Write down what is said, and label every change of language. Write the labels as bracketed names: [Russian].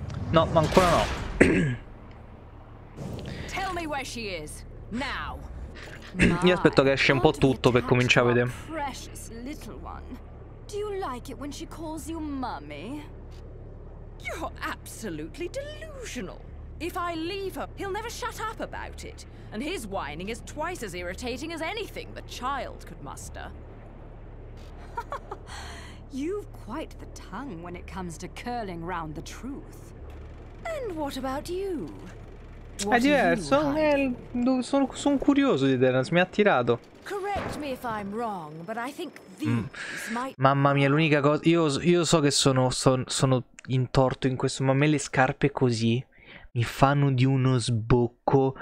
[Italian] No, ma ancora no. [English] Tell me where she is now. [Italian] Io aspetto che esce un po' tutto per cominciare a vedere. [English] Precious little one. Do you like it when she calls you mummy? You're absolutely delusional. If I leave her, he'll never shut up about it. And his whining is twice as irritating as anything the child could muster. You've quite the tongue when it comes to curling round the truth. And what about you? [Italian] È diverso, sono curioso di Terence, mi ha attirato. [English] Correct me if I'm wrong, but I think mamma mia, [Italian] l'unica cosa. Io so che sono in torto in questo, ma a me le scarpe così mi fanno di uno sbocco.